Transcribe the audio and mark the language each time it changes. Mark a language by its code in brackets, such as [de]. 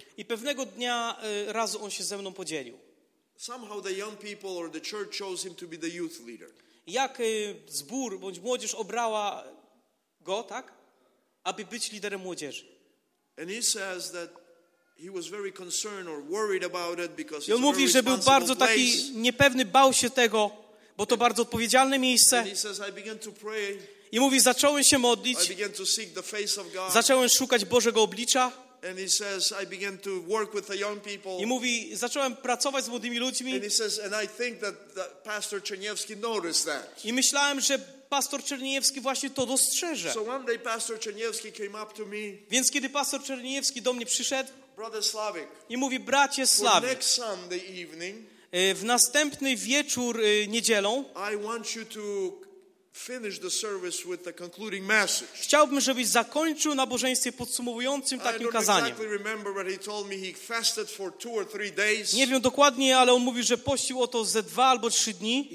[pl] I pewnego dnia razu on się ze mną podzielił. [en] Somehow the young people or the church chose him to be the youth leader. [pl] Jak zbór bądź młodzież obrała go, tak, aby być liderem młodzieży. [en] And he says that he was very concerned or worried about it because [pl] on mówi, że był bardzo taki niepewny, bał się tego, bo to bardzo odpowiedzialne miejsce. [en] And he says I began to pray. [pl] I mówi, zacząłem się modlić. [en] I began to seek the face of God. [pl] Zacząłem szukać Bożego oblicza. [en] And he says, I began to work with the young people. [pl] I mówi, zacząłem pracować z młodymi ludźmi. [en] And he says, and I think that Pastor Czerniewski noticed that. [pl] I myślałem, że Pastor Czerniewski właśnie to dostrzeże. [en] So one day Pastor Czerniewski came up to me. [pl] Więc kiedy Pastor Czerniewski do mnie przyszedł, [en] Brother Slavik, [pl] i mówi, bracie Slavik, [en] for next Sunday evening, [pl] w następny wieczór niedzielą, [en] I want you to finish the service with the concluding message. [pl] Chciałbym, żebyś zakończył nabożeństwo podsumowującym takim kazaniem. [en] I don't exactly remember, but he told me he fasted for 2 or 3 days. [pl] Nie wiem dokładnie, ale on mówi, że pościł o to ze 2 albo 3 dni.